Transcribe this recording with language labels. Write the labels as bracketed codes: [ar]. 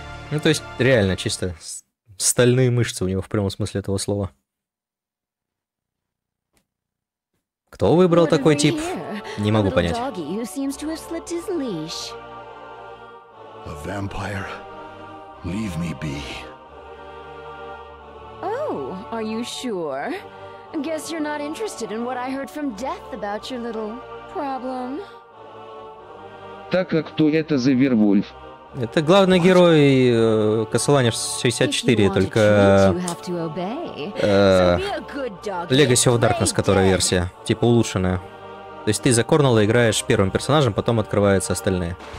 [ru] Ну, то есть, реально, чисто... Стальные мышцы у него в прямом смысле этого слова. Кто выбрал такой тип? Не могу понять. [en] Doggy who seems to have slipped his leash. A vampire? Leave me be. Oh, are you sure? Guess you're not interested in what I heard from Death about your little problem. [ru] Так, а кто это за вервольф? Это главный герой Castlevania 64, только Legacy of Darkness, которая версия, типа улучшенная. То есть ты за Корнелла играешь первым персонажем, потом открываются остальные.